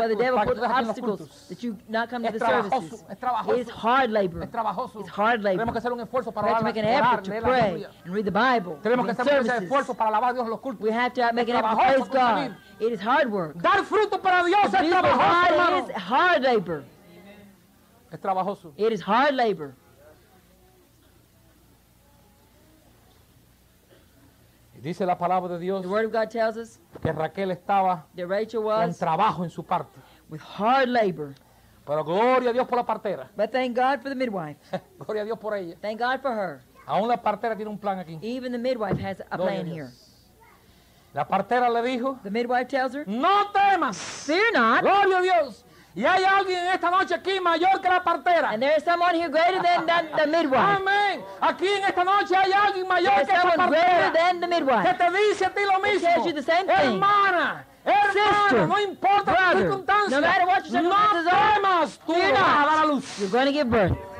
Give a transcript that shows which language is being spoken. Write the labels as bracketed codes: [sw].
[en] That's why the devil put obstacles that you not come to the services. [es] Es trabajoso. [en] It's hard labor. [es] Es trabajoso. [en] It's hard labor. [es] Tenemos que hacer un esfuerzo para alabar, [en] make an effort to pray and read the Bible. [es] Tenemos que hacer un esfuerzo para alabar a Dios en los cultos. [en] We have to make an effort to praise God. It is hard work. [es] Dar fruto para Dios es trabajoso. [en] It is hard labor. [es] Es trabajoso. [en] It is hard labor. [es] Dice la palabra de Dios. [en] The word of God tells us [es] que Raquel estaba con trabajo en su parte. [en] With hard labor. [es] Pero gloria a Dios por la partera. [en] But thank God for the midwife. [es] Gloria a Dios por ella. [en] Thank God for her. [es] Aún la partera tiene un plan aquí. [en] Even the midwife has a plan here. [es] La partera le dijo. [en] The midwife tells her. [es] No temas. [en] Fear not. [es] Gloria a Dios. Y hay alguien en esta noche aquí mayor que la partera. [en] And there is someone here greater than the midwife. [es] Amén. Aquí en esta noche hay alguien mayor que la partera. [en] There is someone greater than the midwife. [es] Que te dice a ti lo mismo. [en] Tells you the same thing. [es] Hermana. [en] Sister, [es] hermana, no importa [en] brother, [es] la circunstancia. [en] No matter what your circumstances [es] no temas, [en] are, fear not. Luz. You're going to give birth.